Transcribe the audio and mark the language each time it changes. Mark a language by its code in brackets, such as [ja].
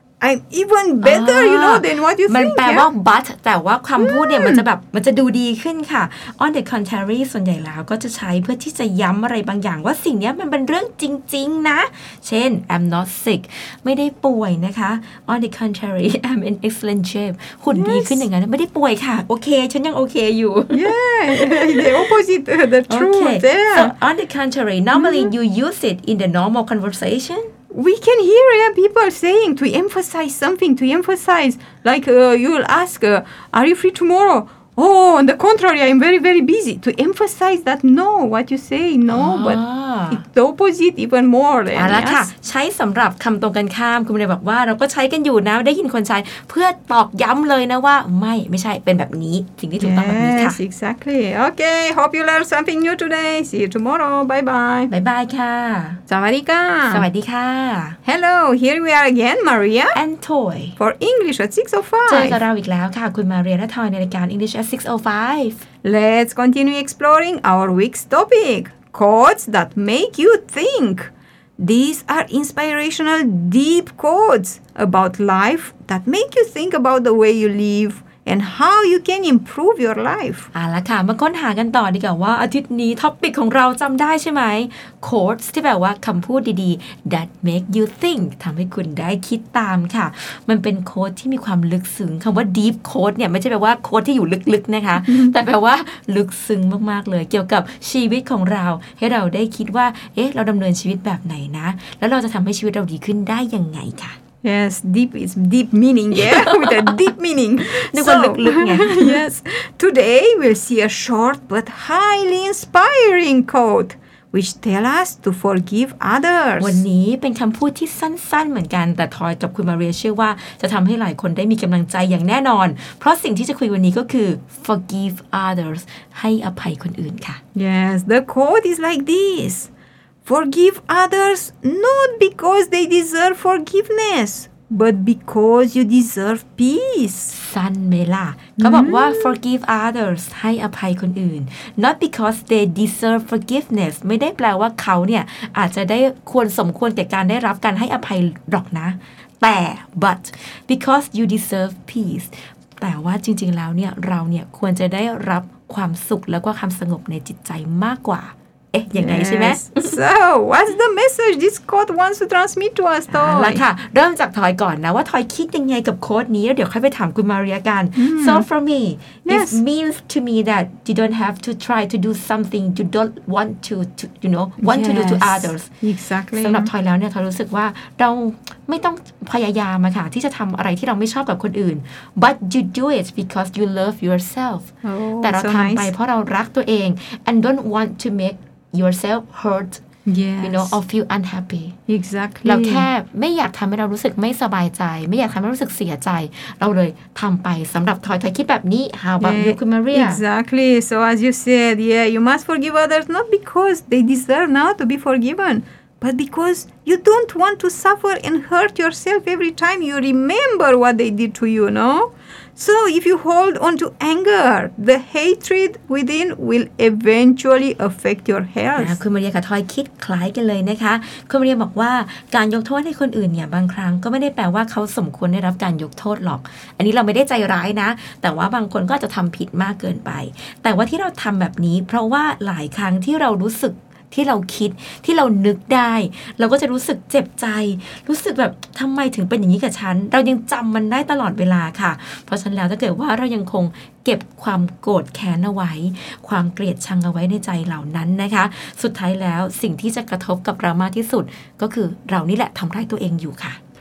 [en] I'm even better, you know, than what you think. [th] มันแปลว่า [en] but [th] แต่ว่าคำพูดเนี่ยมันจะแบบมันจะดูดีขึ้นค่ะ [en] On the contrary, [th] ส่วนใหญ่แล้วก็จะใช้เพื่อที่จะย้ำอะไรบางอย่างว่าสิ่งนี้มันเป็นเรื่องจริงๆนะเช่น [en] I'm not sick [th] ไม่ได้ป่วยนะคะ [en] On the contrary, I'm in excellent shape [th] หุ่นดีขึ้นอย่างนั้นไม่ได้ป่วยค่ะโอเคฉันยังโอเคอยู่ [en] Yeah, the opposite, the truth. Okay. So on the contrary, normally you use it in the normal conversation. We can hear people saying to emphasize something, to emphasize, like you'll ask, are you free tomorrow? Oh, on the contrary, I'm very, very busy. To emphasize that no, what you say, no, but it's the opposite even more. [th] เอาละค่ะใช้สำหรับคำตรงกันข้ามคุณเลยบอกว่าเราก็ใช้กันอยู่นะได้ยินคนใช้เพื่อตอกย้ำเลยนะว่าไม่ใช่เป็นแบบนี้สิ่งที่ถูกต้องแบบนี้ค่ะ [en] Yes, exactly. Okay, hope you learned something new today. See you tomorrow. Bye-bye. Bye-bye, ค่ะ [th] สวัสดีค่ะ สวัสดีค่ะ [en] Hello, here we are again, Maria. And Toy. For English at 6:05. [th] เจอกับเราอีกแล้วค่ะคุณมาเรียและทอยในรายการ English at 6:05. [en] Let's continue exploring our week's topic. Quotes that make you think. These are inspirational, deep quotes about life that make you think about the way you live and how you can improve your life. [th] เอาละค่ะมาค้นหากันต่อดีกว่าว่าอาทิตย์นี้ท็อปิกของเราจำได้ใช่ไหม Quotes ที่แปลว่าคำพูดดีๆ [en] that make you think [th] ทำให้คุณได้คิดตามค่ะมันเป็นโค้ดที่มีความลึกซึ้งคำว่า deep quote เนี่ยไม่ใช่แปลว่าโค้ดที่อยู่ลึกๆนะคะ แต่แปลว่าลึกซึ้งมากๆเลยเกี่ยวกับชีวิตของเราให้เราได้คิดว่าเอ๊ะเราดำเนินชีวิตแบบไหนนะแล้วเราจะทำให้ชีวิตเราดีขึ้นได้ยังไงค่ะ [en] Yes, deep is deep meaning, yeah, with a deep meaning. So, yes, today we'll see a short but highly inspiring quote, which tell us to forgive others. [th] วันนี้เป็นคำพูดที่สั้นๆเหมือนกันแต่ทอยกับคุณมาเรียเชื่อว่าจะทำให้หลายคนได้มีกำลังใจอย่างแน่นอนเพราะสิ่งที่จะคุยวันนี้ก็คือ [en] forgive others, [th] ให้อภัยคนอื่นค่ะ [en] Yes, the quote is like this. Forgive others not because they deserve forgiveness, but because you deserve peace. [th] สั้นไหมล่ะเขาบอกว่า [en] forgive others [th] ให้อภัยคนอื่น [en] not because they deserve forgiveness [th] ไม่ได้แปลว่าเขาเนี่ยอาจจะได้ควรสมควรแก่การได้รับการให้อภัยหรอกนะแต่ [en] but because you deserve peace [th] แต่ว่าจริงๆแล้วเนี่ยเราเนี่ยควรจะได้รับความสุขแล้วก็ความสงบในจิตใจมากกว่าอย่างไรใช่ไหม [en] So what's the message this quote wants to transmit to us Toy? [th] ล่ะค่ะเริ่มจากทอยก่อนนะว่าทอยคิดยังไงกับโค้ดนี้เดี๋ยวค่อยไปถามคุณมาเรียกัน [en] So for me yes. it means to me that you don't have to try to do something you don't want to you know want yes. to do to others Exactly [th] สำหรับทอยแล้วเนี่ยทอยรู้สึกว่าเราไม่ต้องพยายามอะค่ะที่จะทำอะไรที่เราไม่ชอบกับคนอื่น [en] but you do it because you love yourself oh, [th] แต่เรา [en] so [th] ทำ [en] nice. [th] ไปเพราะเรารักตัวเอง [en] and don't want to makeyourself hurt yes. you know or feel unhappy exactly [th] เราแค่ไม่อยากทำให้เรารู้สึกไม่สบายใจไม่อยากทำให้รู้สึกเสียใจเราเลยทำไปสำหรับทอยทอยคิดแบบนี้ [en] how about you [th] คุณมาเรีย [en] exactly so as you said yeah you must forgive others not because they deserve now to be forgiven but because you don't want to suffer and hurt yourself every time you remember what they did to you no So if you hold on to anger, the hatred within will eventually affect your health. [th] คุณมาเรียกับทอยคิดคล้ายกันเลยนะคะคุณมาเรียบอกว่าการยกโทษให้คนอื่นเนี่ยบางครั้งก็ไม่ได้แปลว่าเขาสมควรได้รับการยกโทษหรอกอันนี้เราไม่ได้ใจร้ายนะแต่ว่าบางคนก็จะทำผิดมากเกินไปแต่ว่าที่เราทำแบบนี้เพราะว่าหลายครั้งที่เรารู้สึก ที่เราคิดที่เรานึกได้เราก็จะรู้สึกเจ็บใจรู้สึกแบบทำไมถึงเป็นอย่างนี้กับฉันเรายังจำมันได้ตลอดเวลาค่ะเพราะฉะนั้นแล้วถ้าเกิดว่าเรายังคงเก็บความโกรธแค้นเอาไว้ความเกลียดชังเอาไว้ในใจเหล่านั้นนะคะสุดท้ายแล้วสิ่งที่จะกระทบกับเรามากที่สุดก็คือเรานี่แหละทำร้ายตัวเองอยู่ค่ะ